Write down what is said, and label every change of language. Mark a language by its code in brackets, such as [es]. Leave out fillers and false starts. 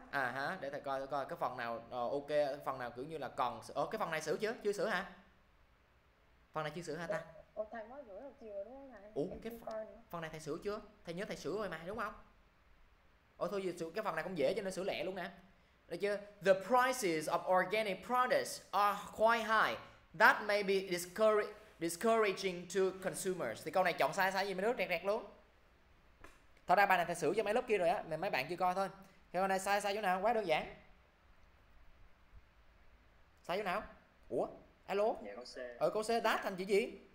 [vi] À hả, để thầy coi cái phần nào ok, phần nào kiểu như là còn. Ủa, cái phần này sửa chưa? Chưa sửa hả? Phần này chưa sửa hả ta? Ủa, thầy mới gửi một chiều đúng không thầy? Ủa, Em cái chưa coi nữa. phần này thầy sửa chưa? Thầy nhớ thầy sửa rồi mà, đúng không? Ủa thôi gì, cái phần này cũng dễ cho nên sửa lẹ luôn nè. Được chưa? [en] The prices of organic products are quite high. That may be discouraging to consumers. [vi] Thì câu này chọn sai sai gì mấy nước rẹt rẹt luôn. Thật ra bài này thầy sửa cho mấy lớp kia rồi á, mấy bạn chưa coi thôi. Cái này sai sai chỗ nào? Quá đơn giản. Sai chỗ nào? Ủa? Alo? Dạ con xe. Ở câu C, that thành chữ gì?